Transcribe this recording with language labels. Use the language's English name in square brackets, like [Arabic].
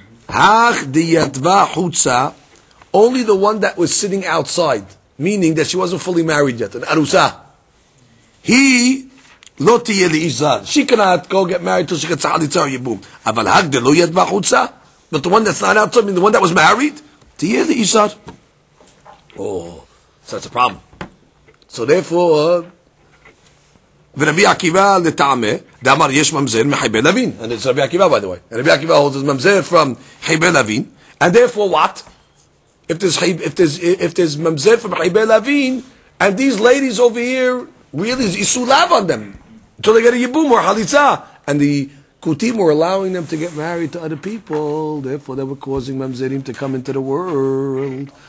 [Aramaic] Hach diyatva chutza, [English] only the one that was sitting outside, meaning that she wasn't fully married yet, an arusa. [Aramaic] He lo tiyeh liizad. [English] She cannot go get married until she gets halitza or yibum. [Aramaic] Aval hach de lo yatva chutza, [English] but the one that's not outside, meaning the one that was married, [Aramaic] tiyeh liizad. [English] Oh, so that's a problem. So therefore, [Aramaic] ורבי עקיבא לטעמה, דאמר יש ממזר מחייבי לוין. [English] And it's רבי עקיבא, by the way. רבי עקיבא holds his ממזר from חייבי לוין. And therefore what? If there's ממזר from חייבי לוין, and these ladies over here really יישו לב on them, until they get a יבום or חליצה. And the קוטים were allowing them to get married to other people, therefore they were causing ממזרים to come into the world.